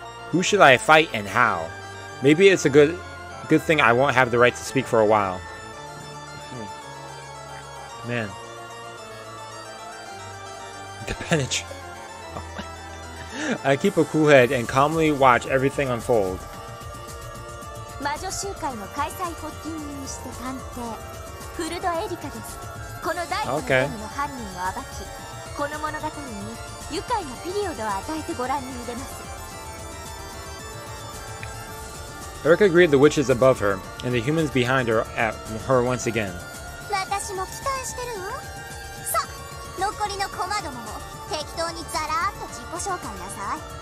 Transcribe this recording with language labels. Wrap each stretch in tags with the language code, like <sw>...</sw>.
<en>Who should I fight and how? Maybe it's a good thing I won't have the right to speak for a while. Man. The penetration. I keep a cool head and calmly watch everything unfold.</en> <ja>魔女集会の開催発起人にして探偵フルドエリカです。この第一のゲームの犯人を暴き、この物語に愉快なピリオドを与えてご覧に入れます。</ja> <en>Erica greeted the witches above her and the humans behind her at her once again.</en> <ja>私も期待してるわ。さあ、残りの小窓も適当にザラーっと自己紹介なさい。</ja>